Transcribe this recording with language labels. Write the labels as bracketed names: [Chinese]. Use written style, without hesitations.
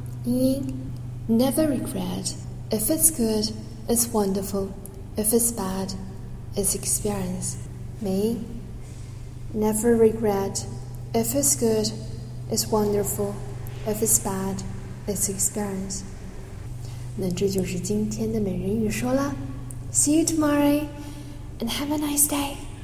[English] 英 Never regret if it's good it's wonderful if it's bad it's experience。梅 Never regret if it's good it's wonderfulIf it's bad, it's experience. [Chinese] 那这就是今天的每日英语说啦。 [English] See you tomorrow, and have a nice day.